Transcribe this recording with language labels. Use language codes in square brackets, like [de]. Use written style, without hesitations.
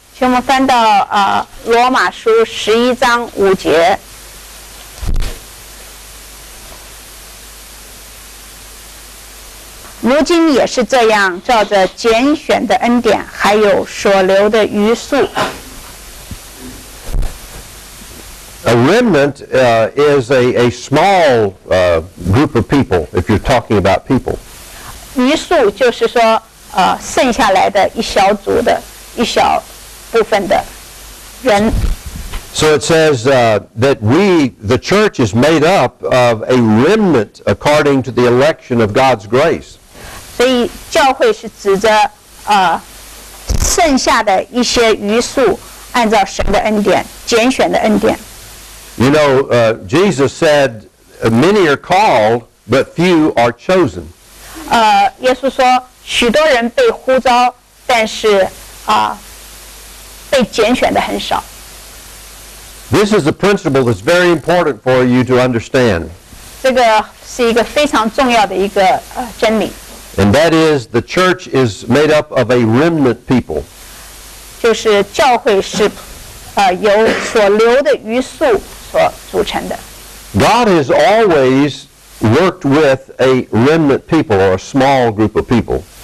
[zh] 请我们翻到罗马书11章5节。如今也是这样,照着拣选的恩典,还有所留的余数。 [en] A remnant is a small group of people, if you're talking about people. [zh] 余数就是说, 剩下来的一小组的,一小部分的人。 [en] So it says that we, the church, is made up of a remnant according to the election of God's grace. [zh] 所以教会是指着, 剩下的一些余数,按照神的恩典,拣选的恩典。 [en] You know, Jesus said, many are called, but few are chosen. [zh] 耶稣说,许多人被呼召,但是, [en] This is a principle that's very important for you to understand. [zh] 这个是一个非常重要的一个,真理。 [en] And that is, the church is made up of a remnant people. [zh] 就是教会是, 由所留的余数, [en] God has always worked with a remnant people or a small group of people.